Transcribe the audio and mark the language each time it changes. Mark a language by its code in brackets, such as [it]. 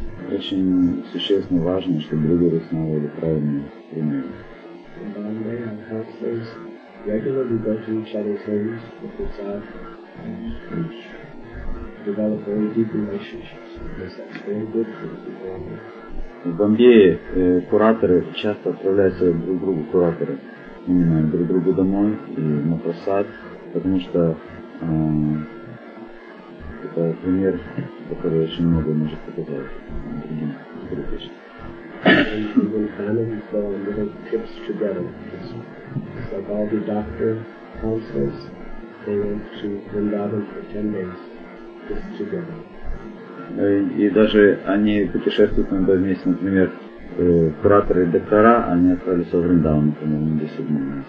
[ru] Очень существенно важно, чтобы лидеры установили правильные примеры. [en] Regularly go to each other's homes with the staff and develop very deep relationships because that's very good for the people. [ru] В Бомбее кураторы часто отправляются друг к другу, кураторы, именно друг к другу домой и на просад, потому что это пример, который очень много может показать другим группам. [en] And even families go on little trips together. It's like all the doctor counselors, they went to Vrindavan for 10 days, just together. [ru] И даже они путешествуют иногда вместе, например, кураторы и доктора, они отправились в Вриндаван, например, на 10 дней.